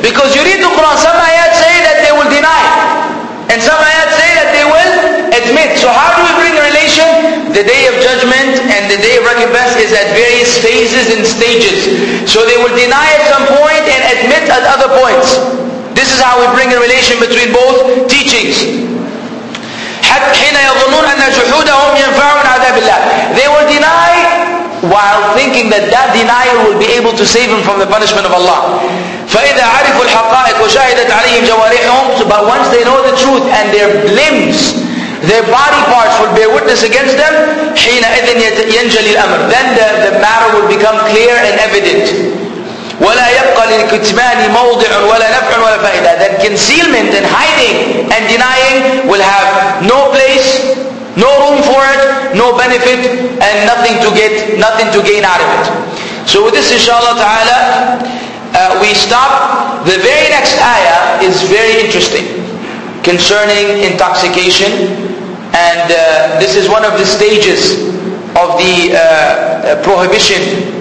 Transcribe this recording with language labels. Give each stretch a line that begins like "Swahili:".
English: Because you read the Quran, some ayat say that they will deny. And some ayat say that they will admit. So how do we bring relation? The day of judgment and the day of recompense is at various phases and stages. So they will deny at some point and admit at other points. This is how we bring a relation between both teachings.
Arabic: حين يظنون أن جحودهم ينفعون عذاب الله.
English: They will deny while thinking that denier will be able to save him from the punishment of Allah.
Arabic: فإذا عرفوا الحقائق وشاهدت عليهم جوارحهم
English: But once they know the truth and their limbs, their body parts will bear witness against them,
Arabic: حينئذ ينجلي الأمر.
English: Then the matter will become clear and evident.
Arabic: ولا يبقى للكتمان موضع ولا نفع ولا فائدة.
English: Then concealment and hiding and denying will have no place, no room for it, no benefit, and nothing to gain out of it. So with this, inshallah ta'ala, we stop. The very next ayah is very interesting concerning intoxication, and this is one of the stages of the prohibition.